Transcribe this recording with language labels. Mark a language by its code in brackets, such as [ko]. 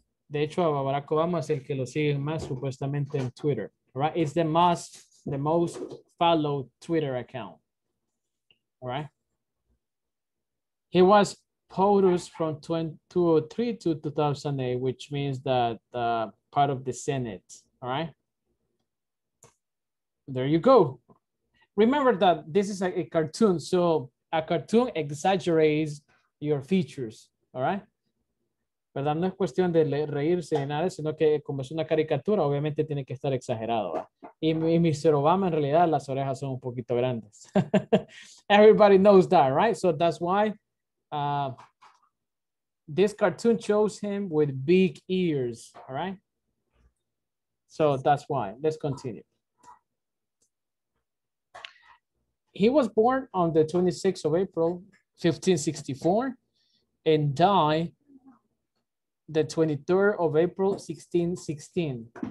[es] De hecho, Barack Obama es el que lo sigue más supuestamente en Twitter, [en] all right? It's the most followed Twitter account, all right? He was POTUS from 2003 to 2008, which means that part of the Senate, all right? There you go. Remember that this is a cartoon, so a cartoon exaggerates your features, all right? [es] ¿Verdad? No es cuestión de reírse de nada, sino que como es una caricatura, obviamente tiene que estar exagerado. Y Mr. Obama, en realidad, las orejas son un poquito grandes. [en] Everybody knows that, right? So that's why this cartoon shows him with big ears, all right? So that's why. Let's continue. He was born on the 26th of April, 1564, and died the 23rd of April, 1616.